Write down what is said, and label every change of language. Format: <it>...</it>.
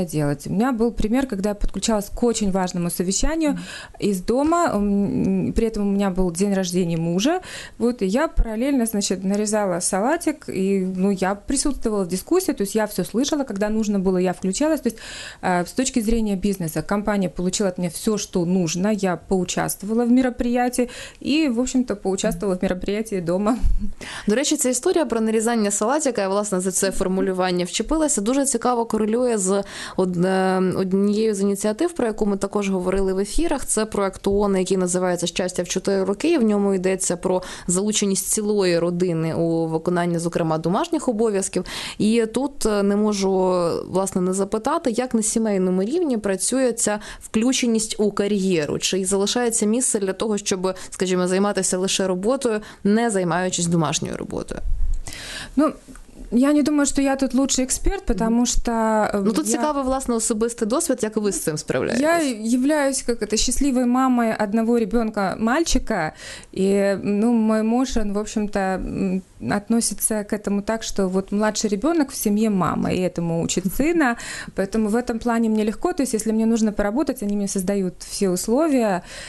<ru>это делать. У меня был пример, когда я подключалась к очень важному совещанию из дома, при этом у меня был день рождения мужа, вот, и я параллельно, значит, нарезала салатик, и, ну, я присутствовала в дискуссии, то есть я все слышала, когда нужно было, я включалась, то есть с точки зрения бизнеса компания получила от меня все, что нужно, я поучаствовала в мероприятии и, в общем-то, поучаствовала в мероприятии дома.</ru> <uk>До речі, ця історія про нарізання салатика, я, власне, за це формулювання вчепилася, дуже цікаво корелює з однією з ініціатив, про яку ми також говорили в ефірах. Це проект ООН, який називається «Щастя в 4 роки», в ньому йдеться про залученість цілої родини у виконанні, зокрема, домашніх обов'язків. І тут не можу, власне, не запитати, як на сімейному рівні працює ця включеність у кар'єру, чи залишається місце для того, щоб, скажімо, займатися лише роботою, не займаючись домашньою роботою. Ну, я не думаю, що я тут лучший експерт, тому що... Ну, тут цікавий, власне, особистий досвід, як ви з цим справляєтесь.</uk> <ru>Я являюсь,</ru> <uk>як це, щасливою мамою</uk> <ru>одного ребенка, мальчика, і, ну, мой муж, він, в общем-то, относится к этому так, что вот младший ребенок в семье мама, и этому учит сына, поэтому в этом плане мне легко, то есть если мне нужно поработать, они мне создают все условия,</ru>